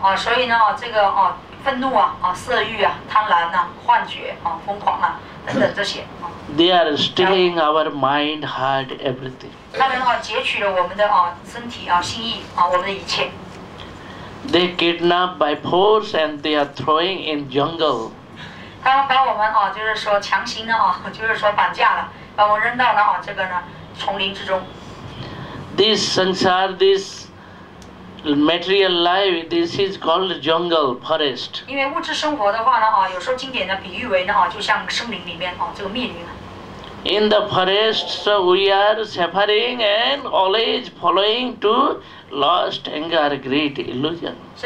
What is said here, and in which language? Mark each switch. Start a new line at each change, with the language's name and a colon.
Chinese: 所以呢，这个愤怒啊，色欲啊，贪婪啊，幻觉啊，疯狂啊，等等这些啊。
English: They are stealing our mind, heart, everything.
Chinese: 他们的话，截取了我们的身体啊，心意啊，我们的一切。
English: They kidnap by force and they are throwing in jungle.
Chinese: 他们把我们绑架了，把我扔到了这个丛林之中。
English: This samsara, this material life, this is called jungle forest.
Chinese: 因为物质生活的话呢，有时候经典的比喻为呢，就像森林里面这个密林。
English: In the forest, so we are suffering and always following to lust, anger, greed, illusion.